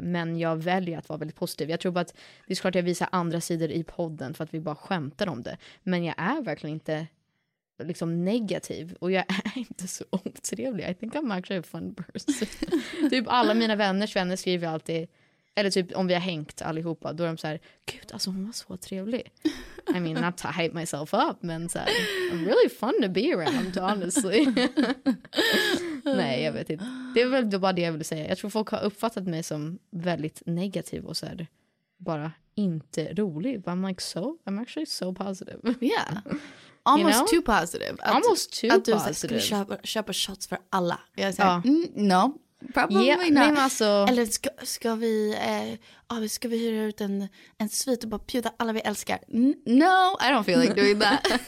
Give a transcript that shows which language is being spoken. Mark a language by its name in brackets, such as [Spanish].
[Swedish] Men jag väljer att vara väldigt positiv. Jag tror bara att det är klart att jag visar andra sidor i podden för att vi bara skämtar om det. Men jag är verkligen inte liksom negativ. Och jag är inte så otrevlig. [English] I think I'm actually a fun person. [Swedish] Typ alla mina vänners vänner skriver alltid, eller typ om vi har hängt allihopa, då är de så här, gud, alltså hon var så trevlig. [English] I mean, not to hype myself up, [Swedish] men så här, [English] I'm really fun to be around, honestly. [Swedish] Nej, jag vet inte. Det är väl bara det jag vill säga. Jag tror folk har uppfattat mig som väldigt negativ och så här, bara inte rolig. [English] But I'm like, so, I'm actually so positive. Yeah. Almost, you know? Too positive. Almost too [Swedish] att [English] positive. [Swedish] Att du skulle köpa shots för alla. Jag säger, [English] no. Probably, yeah, not. [Swedish] Men alltså... Eller ska vi hyra ut en svit och bara bjuda alla vi älskar? [English] No, I don't feel like doing that.